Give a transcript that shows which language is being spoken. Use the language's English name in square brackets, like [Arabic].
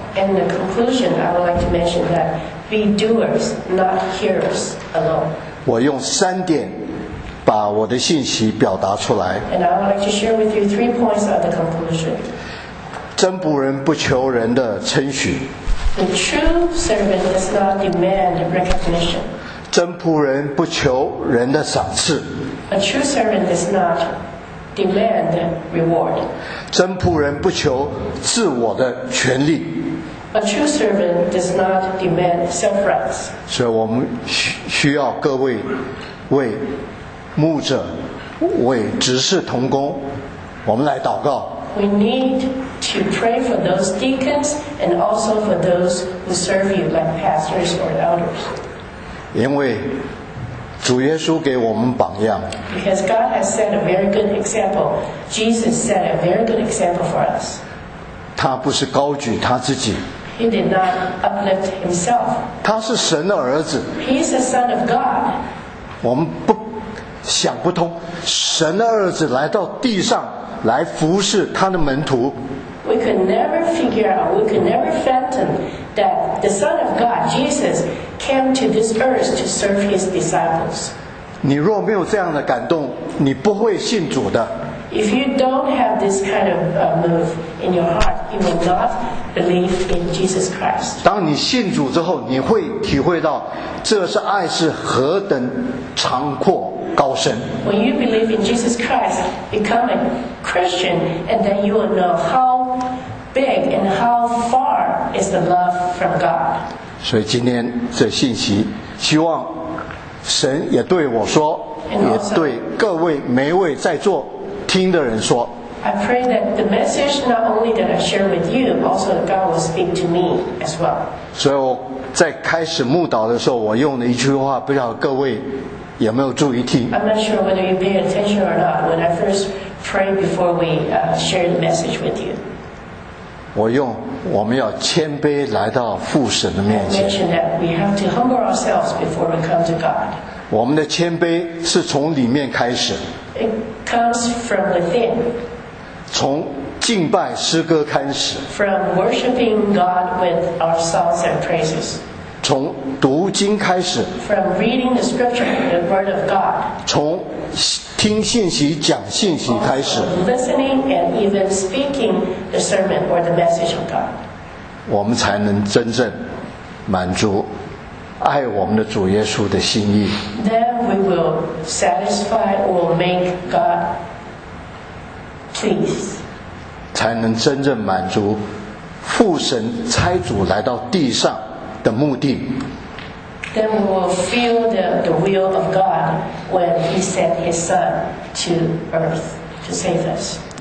[English] And the conclusion I would like to mention thatBe doers, not hearers alone. [Chinese] 我用三点把我的信息表达出来。 [English] And I would like to share with you three points of the conclusion. [Chinese] 真仆人不求人的称许。 [English] The true servant does not demand recognition. [Chinese] 真仆人不求人的赏赐。 [English] A true servant does not demand reward. [Chinese] 真仆人不求自我的权利。 [English] A true servant does not demand self-rights. [Chinese] 所以我们需要各位为牧者、为执事同工，我们来祷告。 [English] We need to pray for those deacons and also for those who serve you, like pastors or elders. [Chinese] 因为主耶稣给我们榜样。 [English] Because God has set a very good example. Jesus set a very good example for us. [Chinese] 他不是高举他自己。 [English] He did not uplift himself. [Chinese] 他是神的儿子。 [English] He is the son of God. [Chinese] 我们不想不通，神的儿子来到地上来服侍他的门徒。 [English] We could never figure out, we could never fathom that the son of God, Jesus, came to this earth to serve his disciples. [Chinese] 你若没有这样的感动，你不会信主的。 [English] If you don't have this kind of move in your heart, you will not believe in Jesus Christ. [Chinese] 当你信主之后，你会体会到这是爱是何等长阔高深。 [English] When you believe in Jesus Christ, become a Christian, and then you will know how big and how far is the love from God. [Chinese] 所以今天这信息，希望神也对我说，也对各位每位在座听的人说。 [English] I pray that the message not only that I share with you, also that God will speak to me as well. [Chinese] 所以我在开始牧道的时候，我用了一句话，不晓得各位有没有注意听。 [English] I'm not sure whether you pay attention or not when I first prayed before we share the message with you. [Chinese] 我用我们要谦卑来到父神的面前。 [English] I mentioned that we have to humble ourselves before we come to God. [Chinese] 我们的谦卑是从里面开始。 [English] Comes from within. [Chinese] 从敬拜诗歌开始。 [English] From worshiping God with our songs and praises. [Chinese] 从读经开始。 [English] From reading the scripture, the word of God. [Chinese] 从听信息讲信息开始。 [English] Listening and even speaking the sermon or the message of God. [Chinese] 我们才能真正满足爱我们的主耶稣的心意。 [English] Then we will satisfy or make God pleased. [Chinese] 才能真正满足父神差主来到地上的目的。 [English] Then we will feel the will of God when He sent His Son to earth to save us.